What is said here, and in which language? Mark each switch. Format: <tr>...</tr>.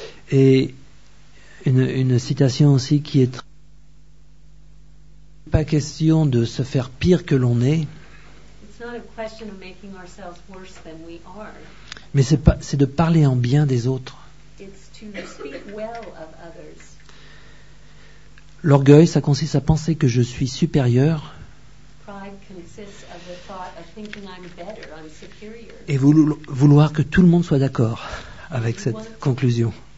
<fr>Et une citation aussi qui est pas question de se faire pire que l'on est.</fr> <en>It's not a question of making ourselves worse than we are.</en> <fr>Mais c'est de parler en bien des autres.</fr> <en>It's to speak well of others.</en> <fr>L'orgueil, ça consiste à penser que je suis supérieur.</fr> <en>Pride consists of the thought of thinking I'm better, I'm superior.</en> <fr>Et vouloir que tout le monde soit d'accord avec cette conclusion.</fr>